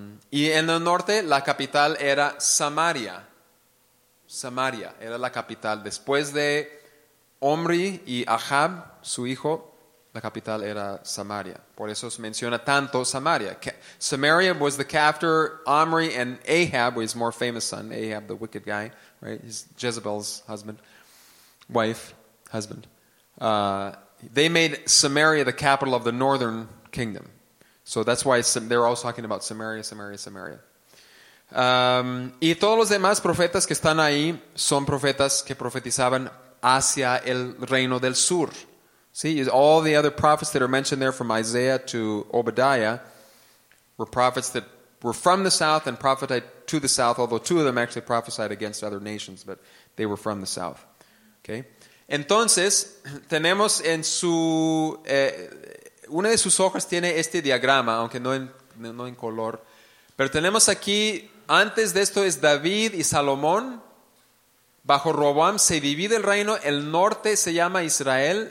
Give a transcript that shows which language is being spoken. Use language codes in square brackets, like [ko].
[es] Y en el norte, la capital era Samaria. Samaria era la capital. Después de Omri y Ahab, su hijo, la capital era Samaria. Por eso se menciona tanto Samaria. [en] Samaria was the captor, Omri and Ahab, his more famous son, Ahab, the wicked guy, right? He's Jezebel's husband. They made Samaria the capital of the northern kingdom. So that's why they're always talking about Samaria, Samaria, Samaria. [es] Y todos los demás profetas que están ahí son profetas que profetizaban hacia el reino del sur. [en] See, all the other prophets that are mentioned there from Isaiah to Obadiah were prophets that were from the south and prophesied to the south, although two of them actually prophesied against other nations, but they were from the south. [es] Okay? Entonces, tenemos en su... una de sus hojas tiene este diagrama, aunque no en color. Pero tenemos aquí, antes de esto es David y Salomón. Bajo Roboam se divide el reino. El norte se llama Israel.